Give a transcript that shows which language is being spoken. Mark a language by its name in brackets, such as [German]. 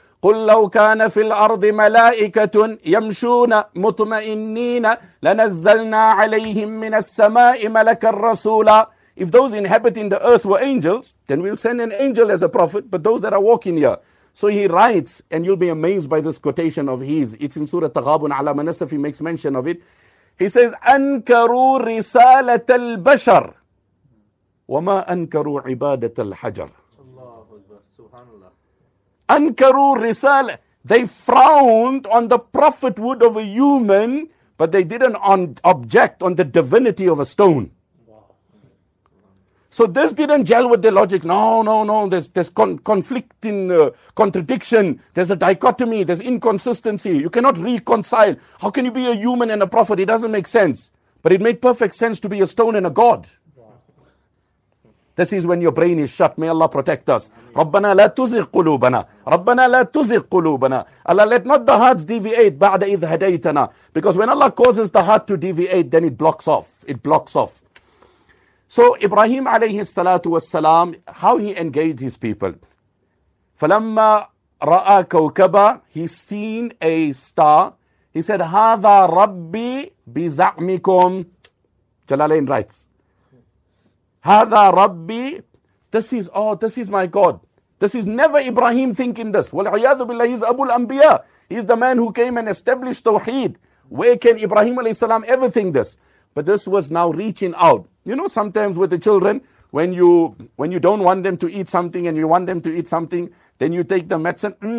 [Arabic] قُلْ لَوْ كَانَ فِي الْأَرْضِ مَلَائِكَةٌ يَمْشُونَ مُطْمَئِنِّينَ لَنَزَّلْنَا عَلَيْهِمْ مِنَ السَّمَاءِ مَلَكَ الرَّسُولَ. [English] If those inhabiting the earth were angels, then we'll send an angel as a prophet. But those that are walking here. So he writes, and you'll be amazed by this quotation of his. It's in Surah Taghabun, Allama Nasafi makes mention of it. He says, [Arabic] أَنْكَرُوا رِسَالَةَ الْبَشَرِ وَمَا أَنْكَرُوا عِبَادَةَ الْحَجَرِ أَنْكَرُوا رِسَالَةَ. [English] They frowned on the prophethood of a human, but they didn't object on the divinity of a stone. So this didn't gel with their logic. No. There's conflicting contradiction. There's a dichotomy. There's inconsistency. You cannot reconcile. How can you be a human and a prophet? It doesn't make sense. But it made perfect sense to be a stone and a god. This is when your brain is shut. May Allah protect us. [Arabic] ربنا لا تزغ قلوبنا. ربنا لا تزغ قلوبنا. [English] Allah, let not the hearts deviate [Arabic] بعد إذ هديتنا. [English] Because when Allah causes the heart to deviate, then it blocks off. So Ibrahim alayhi salatu was salam, how he engaged his people. [Arabic] فَلَمَّا رَأَى كَوْكَبًا, [English] he seen a star. He said, [Arabic] هَذَا رَبِّي بِزَعْمِكُمْ. [English] Jalalain writes, [Arabic] هَذَا رَبِّي, [English] this is my God. This is never Ibrahim thinking this. [Arabic] وَالْعِيَاذُ بِاللَّهِ, [English] he's Abu al-Anbiya. He's the man who came and established Tawheed. Where can Ibrahim alayhi salam ever think this? But this was now reaching out. You know, sometimes with the children, when you don't want them to eat something and you want them to eat something, then you take the medicine.